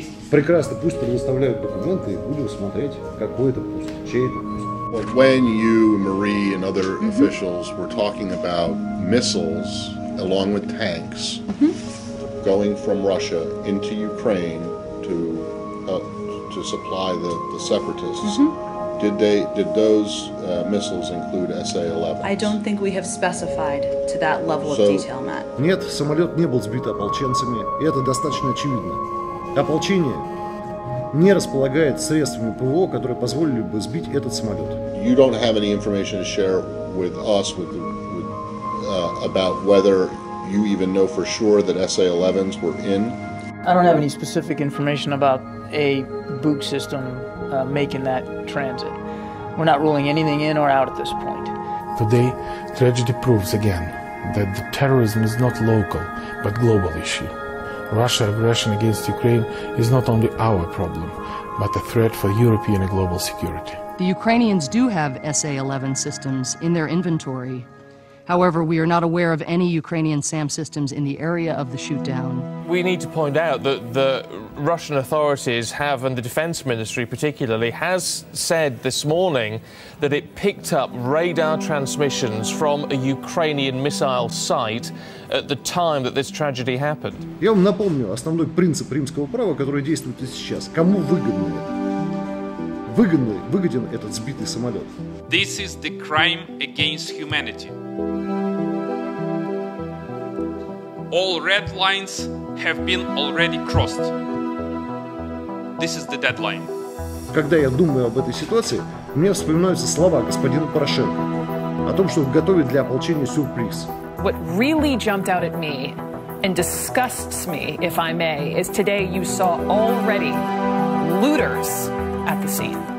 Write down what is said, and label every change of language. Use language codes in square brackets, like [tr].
[ru] Прекрасно, пусть предоставляют документы, будем смотреть, какой это пуст, чей это пуст. [en] When you, Marie, and other officials were talking about missiles along with tanks going from Russia into Ukraine to supply the separatists. Did those missiles include SA-11? I don't think we have specified to that level of detail, Matt. [ru] Нет, самолет не был сбит ополченцами, и это достаточно очевидно. Ополчение не располагает средствами ПВО, которые позволили бы сбить этот самолет. [en] You don't have any information to share with us with about whether you even know for sure that SA-11s were in? I don't have any specific information about a book system making that transit. We're not ruling anything in or out at this point. Today, tragedy proves again that the terrorism is not local, but global issue. Russia's aggression against Ukraine is not only our problem, but a threat for European and global security. The Ukrainians do have SA-11 systems in their inventory. However, we are not aware of any Ukrainian SAM systems in the area of the shootdown. We need to point out that the Russian authorities have, and the Defense Ministry particularly, has said this morning that it picked up radar transmissions from a Ukrainian missile site at the time that this tragedy happened. [ru] Я вам напомню основной принцип римского права, который действует и сейчас. Кому выгодно это? Выгоден этот сбитый самолет? [en] This is the crime against humanity. all red lines have been already crossed. This is the deadline. [ru] Когда я думаю об этой ситуации, мне вспоминаются слова господина Порошенко о том, что готовит для ополчения сюрприз. [en] What really jumped out at me and disgusts me, if I may, is today you saw already looters at the scene.